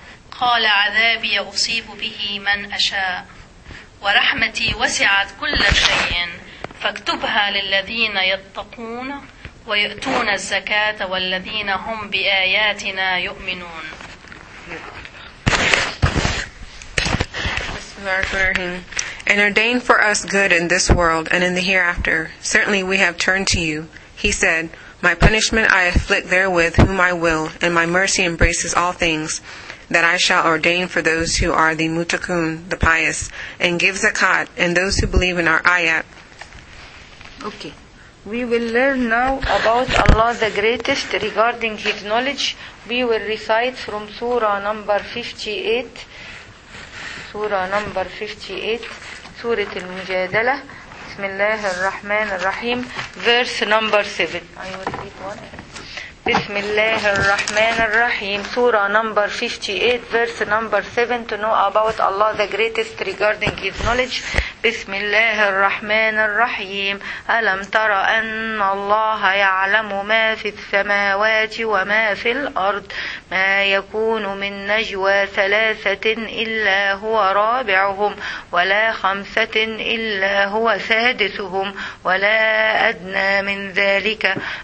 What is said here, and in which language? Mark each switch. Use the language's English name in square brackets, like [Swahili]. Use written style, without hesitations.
[Arabic] قال عذابي أصيب به من أشاء ورحمتي وسعت كل شيء فاكتبها للذين يتقون ويؤتون الزكاة والذين هم بآياتنا يؤمنون. بسم الله الرحمن الرحيم. [English] And ordain for us good in this world and in the hereafter. Certainly we have turned to you. He said, my punishment I afflict therewith whom I will, and my mercy embraces all things that I shall ordain for those who are the mutakun, the pious, and give zakat, and those who believe in our ayat. Okay. We will learn now about Allah the greatest regarding His knowledge. We will recite from Surah number 58. Surah number 58. Surah Al-Mujadalah. Bismillah ar-Rahman ar-Rahim. Verse number 7. I will read one. Bismillah ar-Rahman ar-Rahim. Surah number 58. Verse number 7. To know about Allah the greatest regarding His knowledge. [Arabic] بسم الله الرحمن الرحيم ألم تر أن الله يعلم ما في السماوات وما في الأرض ما يكون من نجوى ثلاثة إلا هو رابعهم ولا خمسة إلا هو سادسهم ولا أدنى من ذلك